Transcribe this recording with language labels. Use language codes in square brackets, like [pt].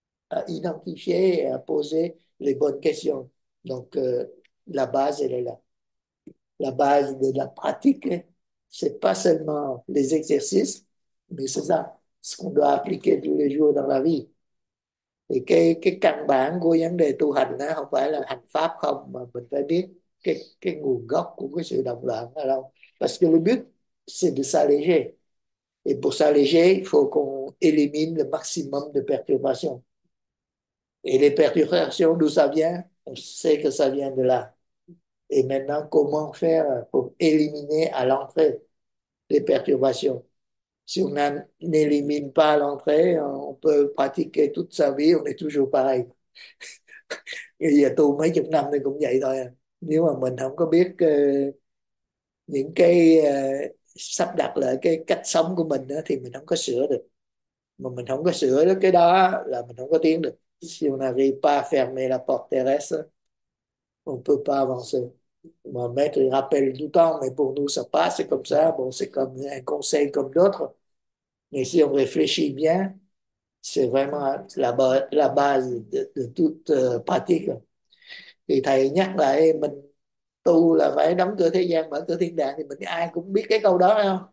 [fr] à identifier et à poser les bonnes questions. Donc, la base, elle est là. La base de la pratique, c'est pas seulement les exercices, mais c'est ça, ce qu'on doit appliquer tous les jours dans la vie. [vi] Et cái căn bản của vấn đề tu hành đó không phải là hành pháp không, mà mình phải biết cái nguồn gốc của cái sự động loạn ở đâu. [fr] Parce que le but, c'est de s'alléger. Et pour s'alléger, il faut qu'on élimine le maximum de perturbations. Et les perturbations, d'où ça vient? On sait que ça vient de là. Et maintenant, comment faire pour éliminer à l'entrée les perturbations? Si on n'élimine pas à l'entrée, on peut pratiquer toute sa vie, on est toujours pareil. Il y a tout [vi] mấy chục năm thì cũng vậy thôi. Nếu mà mình không có biết những cái sắp đặt lại cái cách sống của mình đó, thì mình không có sửa được. Mà mình không có sửa được cái đó là mình không có tiến được. [fr] Si on n'arrive pas à fermer la porte terrestre, on peut pas avancer. Mon maître, il rappelle tout le temps, mais pour nous, ça passe, c'est comme ça. Bon, c'est comme un conseil comme d'autres. Mais si on réfléchit bien, c'est vraiment la base de toute pratique. [vi] Thì thầy nhắc lại, mình tu là phải đóng cửa thế gian, mở cửa thiên đàng, thì mình ai cũng biết cái câu đó không?